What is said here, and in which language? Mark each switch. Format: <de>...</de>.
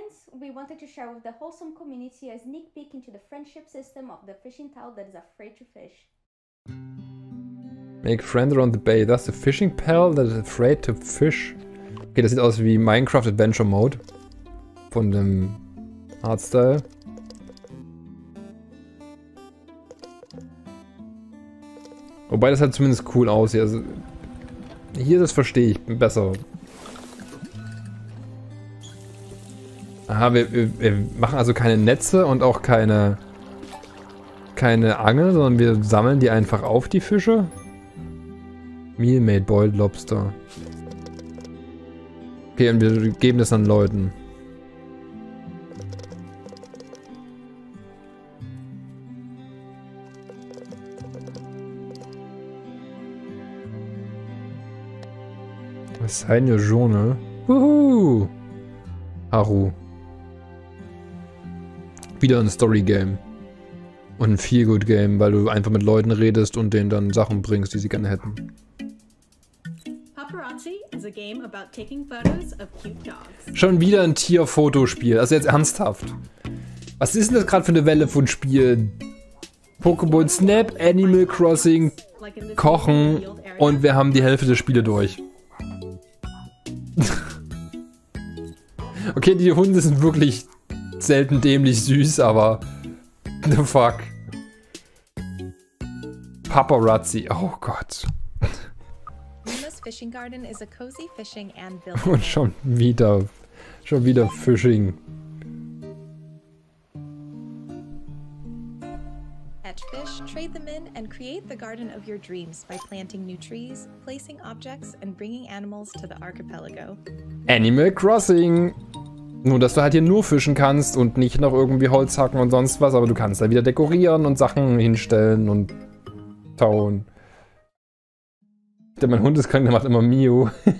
<en>We wanted to share with the wholesome community a sneak peek into the friendship system of the fishing pal that is afraid to fish. Make friends around the bay. That's the fishing pal that is afraid to fish.</en> <de>Okay, das sieht aus wie Minecraft Adventure Mode. Von dem Artstyle. Wobei das halt zumindest cool aussieht. Also hier, das verstehe ich besser. Aha, wir machen also keine Netze und auch keine Angel, sondern wir sammeln die einfach auf, die Fische.</de> <en>Meal made boiled lobster.</en> <de>Okay, und wir geben das an Leuten. Was sei denn schon, ne? Wuhu! Haru. Wieder ein Story-Game. Und ein Feel-Good-Game, weil du einfach mit Leuten redest und denen dann Sachen bringst, die sie gerne hätten.</de> <en>Paparazzi is a game about taking photos of cute dogs.</en> <de>Schon wieder ein Tier-Fotospiel. Also jetzt ernsthaft. Was ist denn das gerade für eine Welle von Spielen? Pokémon Snap, Animal Crossing, Kochen und wir haben die Hälfte der Spiele durch. Okay, die Hunde sind wirklich... selten dämlich süß, aber</de> <en>the fuck.</en> <de>Paparazzi, oh Gott.</de> <en>Nemo's Fishing Garden is a cozy fishing and</en> <de>building. Und schon wieder Fishing.</de> <en>Catch fish, trade them in and create the garden of your dreams by planting new trees, placing objects and bringing animals to the archipelago.</en> <de>Animal Crossing. Nur, dass du halt hier nur fischen kannst und nicht noch irgendwie Holz hacken und sonst was, aber du kannst da wieder dekorieren und Sachen hinstellen und tauen. Denn mein Hund ist krank, der macht immer Mio.</de>